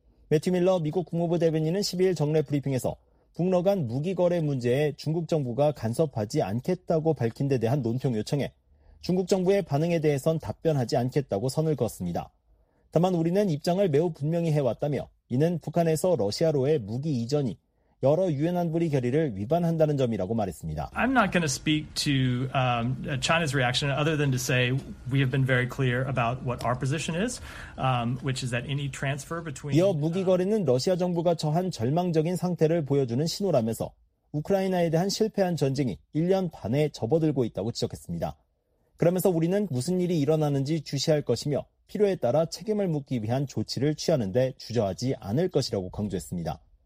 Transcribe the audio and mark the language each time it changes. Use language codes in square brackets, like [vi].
[ko] 매튜 밀러 미국 국무부 대변인은 12일 정례 브리핑에서 북러 간 무기 거래 문제에 중국 정부가 간섭하지 않겠다고 밝힌 데 대한 논평 요청에 중국 정부의 반응에 대해선 답변하지 않겠다고 선을 그었습니다. 다만 우리는 입장을 매우 분명히 해왔다며 이는 북한에서 러시아로의 무기 이전이 여러 유엔 안보리 결의를 위반한다는 점이라고 말했습니다. [en] I'm not going to speak to China's reaction other than to say we have been very clear about what our position is, which is that any transfer between [ko] 이어 무기 거래는 러시아 정부가 처한 절망적인 상태를 보여주는 신호라면서 우크라이나에 대한 실패한 전쟁이 1년 반에 접어들고 있다고 지적했습니다. 그러면서 우리는 무슨 일이 일어나는지 주시할 것이며 필요에 따라 책임을 묻기 위한 조치를 취하는데 주저하지 않을 것이라고 강조했습니다.